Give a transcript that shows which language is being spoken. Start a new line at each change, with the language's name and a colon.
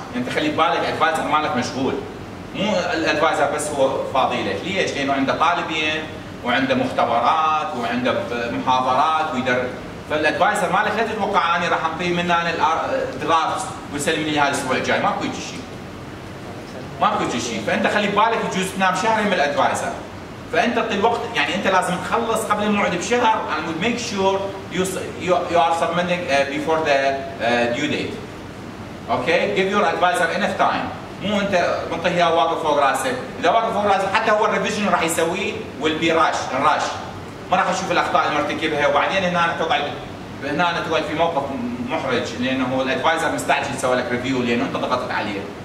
Arabic: انت خلي بالك advisor مالك مشغول. مو الادفايزر بس هو فاضي لك، ليش؟ لانه عنده طالبين وعنده مختبرات وعنده محاضرات ويدرب، فالادفايزر مالك لا تتوقع اني راح اعطيه من انا الدرافت ويسلمني اياها الاسبوع الجاي، ماكو يجي شيء. ماكو يجي شيء، فانت خلي بالك يجوز تنام شهرين من الادفايزر. فانت في الوقت يعني انت لازم تخلص قبل الموعد بشهر
English: and would make sure you are submitting before the due date.
Arabic: Okay?
English: Give your advisor enough time.
Arabic: مو انت منطيها واقف فوق راسك، اذا واقف فوق راسك حتى هو الريفيجن راح يسويه ويل بي راش، الراش. ما راح اشوف الاخطاء اللي مرتكبها وبعدين هنا تقعد هنا تقعد في موقف محرج لانه الادفايزر مستعجل يسوي لك ريفيو لانه انت ضغطت عليه.